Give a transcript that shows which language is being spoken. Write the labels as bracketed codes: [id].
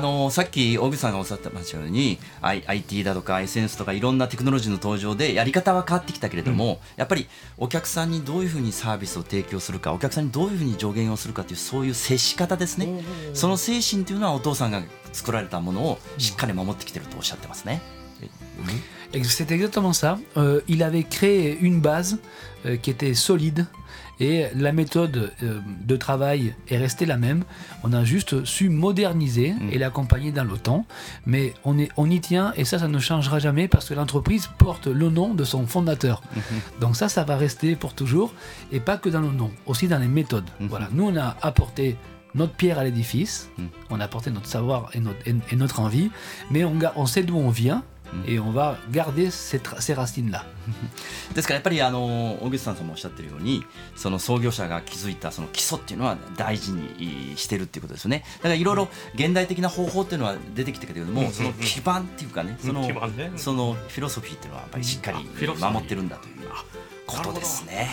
[ja] さっき小木さんがおっしゃってましたように IT だとか SNS とかいろんなテクノロジーの登場でやり方は変わってきたけれども、うん、やっぱりお客さんにどういうふうにサービスを提供するか、お客さんにどういうふうに助言をするかというそういう接し方ですね、うん、その精神というのはお父さんが作られたものをしっかり守ってきているとおっしゃってますね、 [fr] うん、C'est exactement ça. Il avait créé une base qui était solideEt la méthode de travail est restée la même. On a juste su moderniser et l'accompagner dans le temps. Mais on y tient et ça ne changera jamais parce que l'entreprise porte le nom de son fondateur. Donc ça va rester pour toujours et pas que dans le nom, aussi dans les méthodes. Voilà. Nous, on a apporté notre pierre à l'édifice. On a apporté notre savoir et notre envie. Mais on sait d'où on vient. Et on va garder ces racines-là. [ja] ですからやっぱり小口さんもおっしゃってるようにその創業者が築いたその基礎っていうのは大事にしてるっていうことですよね。だからいろいろ現代的な方法っていうのは出てきたけれどもその基盤っていうかねその基盤ね、そのフィロソフィーっていうのはやっぱりしっかり守ってるんだということですね。